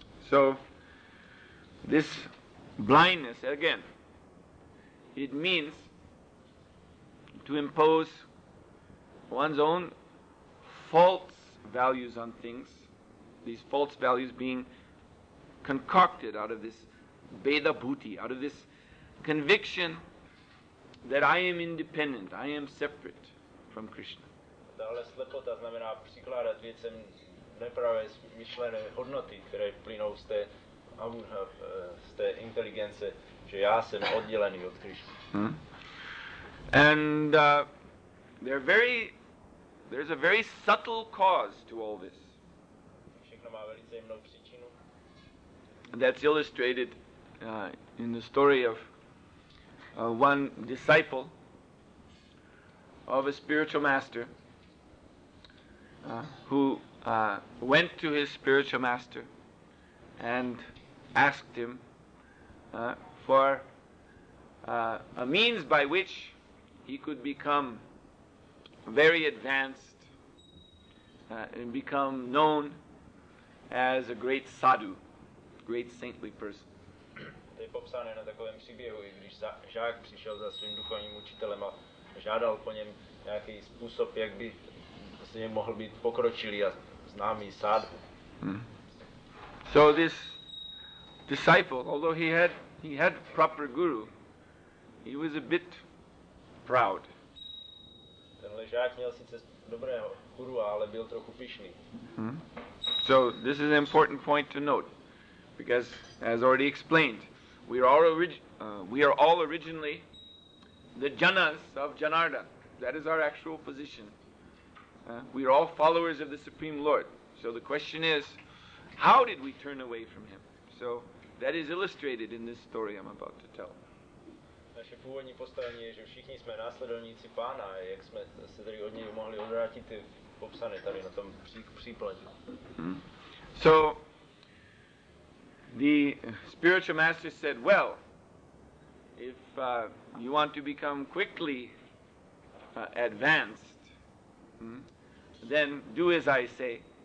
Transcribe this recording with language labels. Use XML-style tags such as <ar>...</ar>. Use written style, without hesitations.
<en>So, this blindness, again, it means to impose one's own false values on things, these false values being concocted out of this Veda Bhuti, out of this conviction that I am independent, I am separate from Krishna.</en> <cs>Tahle slepota znamená přikládat věcem nepravé myšlené hodnoty, které plynou z té avuha, z té inteligence, že já jsem oddělený od Krishna.</cs> <en>And there's a very subtle cause to all this.</en> <cs>Všechno má velice jemnou příčinu.</cs> <en>That's illustrated in the story of one disciple of a spiritual master who went to his spiritual master and asked him for a means by which he could become very advanced and become known as a great sadhu, great saintly person.</en> <cs>To je popsáno na takovém příběhu, když žák přišel za svým duchovním učitelem a žádal po něm nějaký způsob, jak by vlastně mohl být pokročilý a známý sadhu.</cs> <en>So this disciple, although he had proper guru, he was a bit proud.</en> <cs>Tenhle žák měl sice dobrého guru, ale byl trochu pyšný.</cs> <en>So this is an important point to note, because as already explained, we are all originally the janas of Janarda. That is our actual position. We are all followers of the Supreme Lord. So the question is, how did we turn away from him? So that is illustrated in this story I'm about to tell.</en> <cs>Naše původní postavení je, že všichni jsme následovníci pána, jak jsme se tady od něj mohli odvrátit, je popsané tady na tom příkladu.</cs> <en>So the spiritual master said, well, if you want to become quickly advanced, then do as I say.</en>